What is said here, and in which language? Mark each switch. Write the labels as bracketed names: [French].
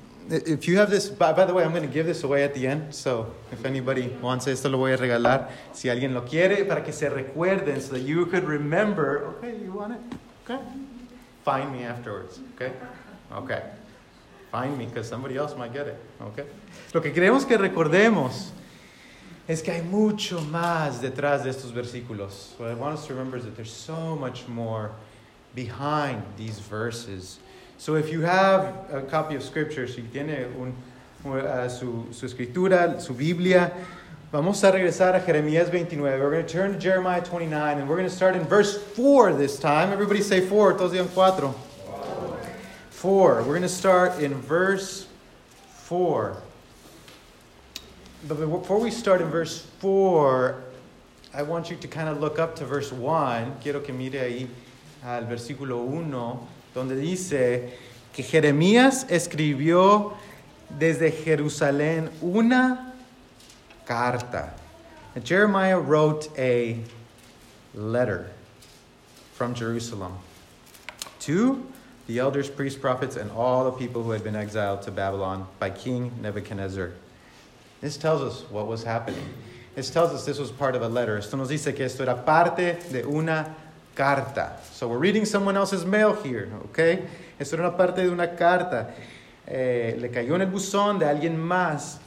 [English] If you have this, by the way, I'm going to give this away at the end. So if anybody wants it, [Spanish] esto lo voy a regalar. Si alguien lo quiere, para que se recuerden, [English] so that you could remember. Okay, you want it? Okay. Find me afterwards, okay? Okay. Find me, because somebody else might get it, okay? [Spanish] Lo que queremos que recordemos es que hay mucho más detrás de estos versículos. [English] What I want us to remember is that there's so much more behind these verses. So if you have a copy of Scripture, [Spanish] si tiene su escritura, su Biblia, vamos a regresar a Jeremías 29. [English] We're going to turn to Jeremiah 29, and we're going to start in verse 4 this time. Everybody say 4, [Spanish] todos digan 4. [English] 4. We're going to start in verse 4. But before we start in verse 4, I want you to kind of look up to verse 1. [Spanish] Quiero que mire ahí al versículo 1, donde dice que Jeremías escribió desde Jerusalén una carta. [English] And Jeremiah wrote a letter from Jerusalem to the elders, priests, prophets, and all the people who had been exiled to Babylon by King Nebuchadnezzar. This tells us what was happening. This tells us this was part of a letter. [Spanish] Esto nos dice que esto era parte de una carta. [English] So we're reading someone else's mail here, okay? [Spanish] Esto era una parte de una carta. Le cayó en el buzón de alguien más.